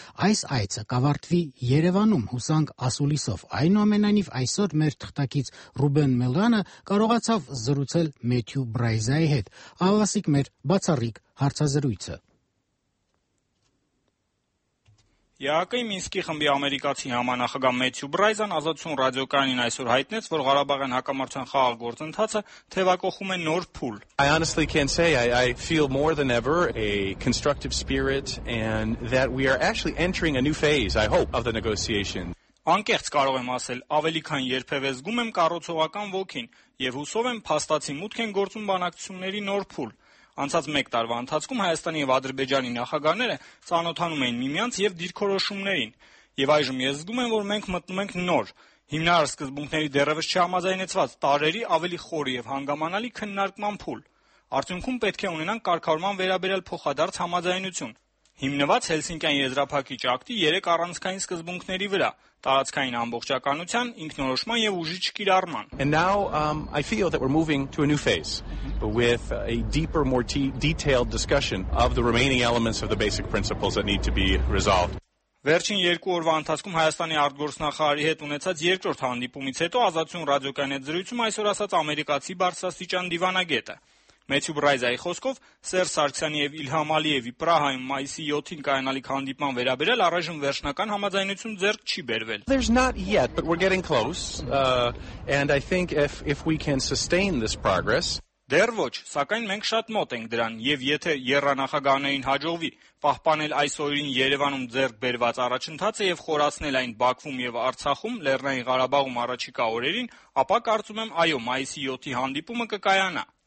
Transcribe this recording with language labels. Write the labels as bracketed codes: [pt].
[hy] Այս այցը կավարտվի Երևանում հուսանք ասուլիսով։ Այնուամենայնիվ այսօր մեր թղթակից Ռուբեն Մելրանը կարողացավ զրուցել Մեթյու Բրայզայի հետ։ Ավասիկ մեր բացառիկ հարցազրույցը։ ԵԱՀԿ-ի Մինսկի խմբի ամերիկացի համանախագահ Մեթյու Բրայզան ազատություն ռադիոկայանին այսօր հայտնեց, որ Ղարաբաղյան հակամարտության խաղաղ գործընթացը թևակոխում է նոր փուլ։ [en] I honestly can say I feel more than ever a constructive spirit and that we are actually entering a new phase, I hope, of the negotiation. [hy] Անկեղծ կարող եմ ասել, ավելի քան երբևէ զգում եմ կառուցողական ոգին եւ հուսով եմ փաստացի մուտք են գործում բանակցությունների նոր փուլ։ Անցած 1 տարվա ընթացքում Հայաստանի եւ Ադրբեջանի նախագահները ծանոթանում էին միմյանց եւ դիրքորոշումներին եւ այժմ ես զգում եմ, որ մենք մտնում ենք նոր հիմնարար սկզբունքների դեռևս չհամաձայնեցված տարերի ավելի խոր եւ հանգամանալի քննարկման փուլ։ Արդյունքում պետք է ունենանք կարգավորման վերաբերյալ փոխադարձ համաձայնություն, հիմնված Հելսինկիան եզրափակիչ ակտի 3 առանցքային սկզբունքների վրա՝ տարածքային ամբողջականության, ինքնորոշման եւ ուժի չկիրառման։ [en] And now I feel that we're moving to a new phase with a deeper, more detailed discussion of the remaining elements of the basic principles that need to be resolved. [hy] Վերջին 2 օրվա ընթացքում Հայաստանի արտգործնախարարի հետ ունեցած երկրորդ հանդիպումից հետո ազատություն ռադիոկայանի զրույցում այսօր ասաց ամերիկացի բարձրաստիճան դիվանագետը։ Մեթյու Բրայզայի խոսքով Սեր Սարգսյանի եւ Իլհամ Ալիևի Պրահայում մայիսի 7-ին կայանալիք հանդիպման վերաբերյալ առայժմ վերջնական համաձայնություն ձեռք չի բերվել։ [en] There's not yet, but we're getting close. And I think if we can sustain this progress. [hy] Դեռ ոչ, սակայն մենք շատ մոտ ենք դրան, եւ եթե երրանախագահանային հաջողվի պահպանել այս օրին Երևանում ձեռք բերված առաջընթացը եւ խորացնել այն Բաքվում եւ Արցախում Լեռնային Ղարաբաղում առաջիկա օրերին, ապա կարծում եմ, այո, մայիսի 7-ի հանդիպումը կկայանա։